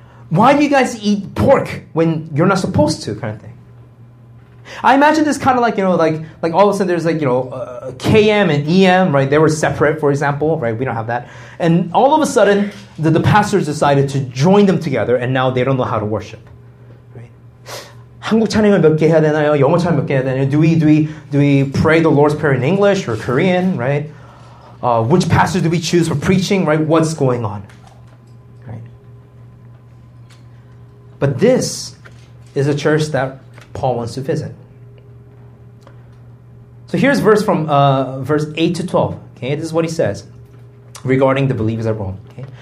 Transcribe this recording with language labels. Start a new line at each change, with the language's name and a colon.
English: Why do you guys eat pork when you're not supposed to, kind of thing? I imagine this kind of like, you know, like all of a sudden there's like, you know, KM and EM, right? They were separate, for example, right? We don't have that. And all of a sudden, the pastors decided to join them together, and now they don't know how to worship. Right?
Korean: 한국 찬양을 몇 개 해야 되나요? 영어 찬양 몇 개 해야 되나요?
English: Do we pray the Lord's Prayer in English or Korean, right? Which pastor do we choose for preaching, right? What's going on? But this is a church that Paul wants to visit. So here's verse from verse 8 to 12. Okay, this is what he says regarding the believers at Rome. Okay?